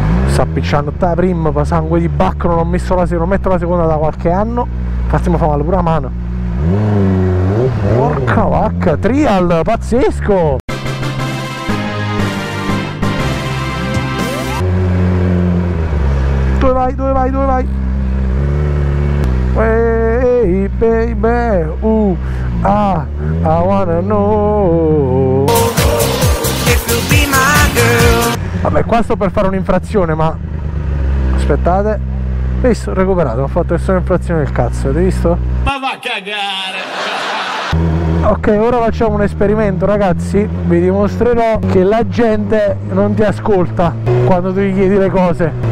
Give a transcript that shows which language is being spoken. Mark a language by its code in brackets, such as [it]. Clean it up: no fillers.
[it] Sta appicciando te prim, pa sangue di bacco, non ho messo la seconda, non metto la seconda da qualche anno. Infatti mi fa male pure la mano. Porca vacca, trial, pazzesco! Dove vai, dove vai, dove vai? [en] Hey baby, I wanna know if you'll be my girl. [it] Vabbè, qua sto per fare un'infrazione, ma aspettate. Visto, recuperato, ho fatto solo un'infrazione del cazzo, avete visto? Ma va a cagare. Ok, ora facciamo un esperimento, ragazzi. Vi dimostrerò che la gente non ti ascolta quando tu gli chiedi le cose.